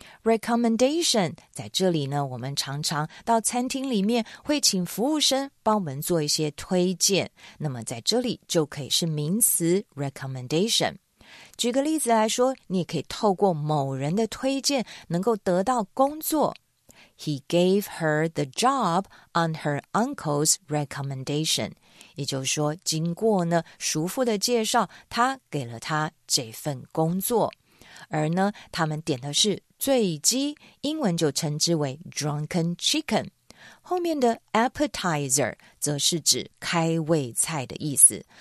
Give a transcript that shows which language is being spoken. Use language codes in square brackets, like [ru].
[zh] Recommendation 在这里呢，我们常常到餐厅里面会请服务生帮我们做一些推荐，那么在这里就可以是名词 recommendation。举个例子来说，你也可以透过某人的推荐能够得到工作。 [en] He gave her the job on her uncle's recommendation。 [zh] 也就是说，经过呢叔父的介绍，他给了他这份工作。而呢，他们点的是醉鸡，英文就称之为 drunken chicken。后面的 appetizer 则是指开胃菜的意思。